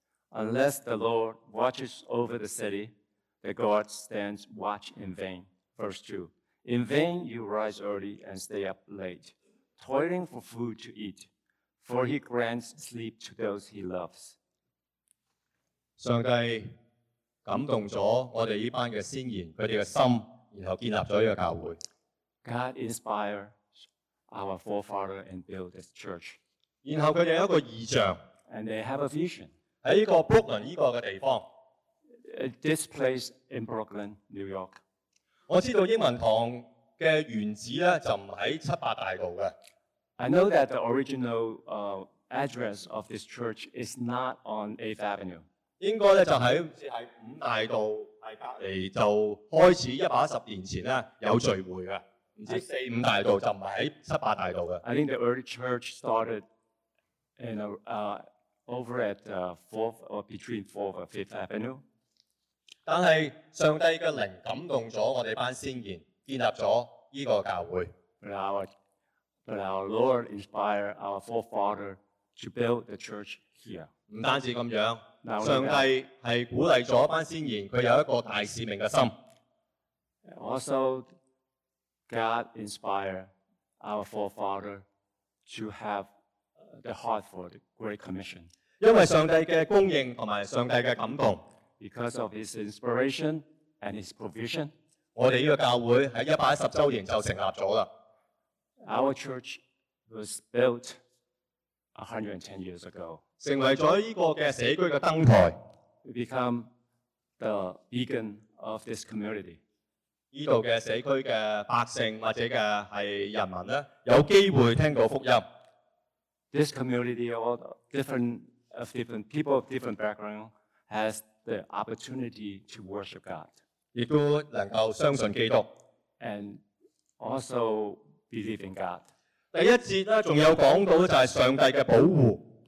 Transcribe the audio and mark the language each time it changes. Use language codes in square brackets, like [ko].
[en] Unless the Lord watches over the city, the guard stands watch in vain. Verse 2, in vain you rise early and stay up late, toiling for food to eat. For he grants sleep to those he loves. [yue] 上帝感动咗我哋呢班嘅先贤，佢哋嘅心，然后建立咗呢个教会。 [en] God inspired our forefather and built this church. [yue] 然后佢哋有一个异象。 [en] And they have a vision. [yue] 喺呢个 Brooklyn 呢个嘅地方。 [en] This place in Brooklyn, New York. [yue] 我知道英文堂嘅原址咧就唔喺七八大道嘅。 [en] I know that the original address of this church is not on 8th Avenue. [yue] 应该咧就喺好似系五大道系隔篱就开始110年前咧有聚会嘅，唔知四五大道就唔系喺七八大道嘅。 [en] I think the early church started in over at fourth or between 4th or 5th Avenue. [yue] 但系上帝嘅灵感动咗我哋班先贤，建立咗呢个教会。 [en] But our Lord inspired our forefather to build the church here. [yue] 唔单止咁样，上帝系鼓励咗一班先贤，佢有一个大使命嘅心。 [en] Also, God inspired our forefather to have the heart for the Great Commission. [yue] 因为上帝嘅供应同埋上帝嘅感动。 [en] Because of His inspiration and His provision, [yue] 我哋呢个教会喺110周年就成立咗啦。 [en] Our church was built 110 years ago. [yue] 成为咗呢个嘅社区嘅灯台。 [en] We become the beacon of this community. [yue] 呢度嘅社区嘅百姓或者嘅系人民咧，有机会听到福音。 [en] This community, all different people of different background, has the opportunity to worship God. [yue] 亦都能够相信基督。 [en] And also believe in God. [yue] 第一節咧，仲有講到就係上帝嘅保護。